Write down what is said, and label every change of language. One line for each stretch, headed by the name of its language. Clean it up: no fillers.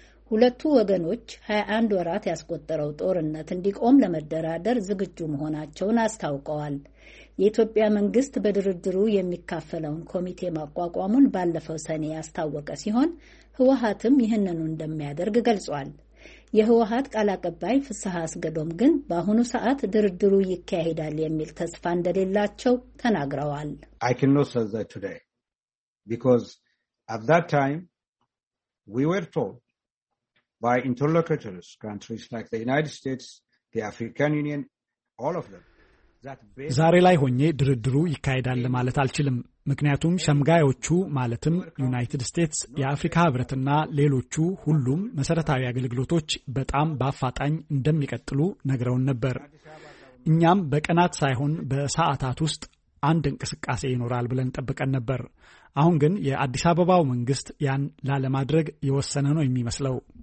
Amharic: ሁለቱ ወገኖች 21 ወራት ያስቆጠረው ጦርነት እንዲቆም ለመደራደር ዝግጁ መሆናቸውን አስታውቀዋል። የኢትዮጵያ መንግስት በድርድሩ የሚካፈለውን ኮሚቴ ማቋቋሙን ባለፈው ሰኔ ያስታወቀ ሲሆን ህወሓትም ይህንኑ እንደሚያደርግ ገልጿል። የህወሓት ቃል አቀባይ ፍስሐ አስገዶም ግን በአሁኑ ሰዓት ድርድሩ ይካሄዳል የሚል ተስፋ እንደሌላቸው ተናግረዋል።
English: I cannot say that today because at that time we were told by interlocutors countries like the United States, the African Union, all of them.
Amharic: ዛሬ ላይ ሆኜ ድርድሩ ይካሄዳል ማለት አልችልም። ምክንያቱም ሸምጋዮቹ ማለትም ዩናይትድ ስቴትስ፣ የአፍሪካ ህብረትና ሌሎቹ ሁሉም መሰረታዊ አገልግሎቶች በጣም በአፋጣኝ እንደሚቀጥሉ ነግረውን ነበር። እኛም በቀናት ሳይሆን በሰዓታት ውስጥ አንድ እንቅስቃሴ ይኖራል ብለን ጠብቀን ነበር። አሁን ግን የአዲስ አበባው መንግስት ያን ላለማድረግ የወሰነ ነው የሚመስለው።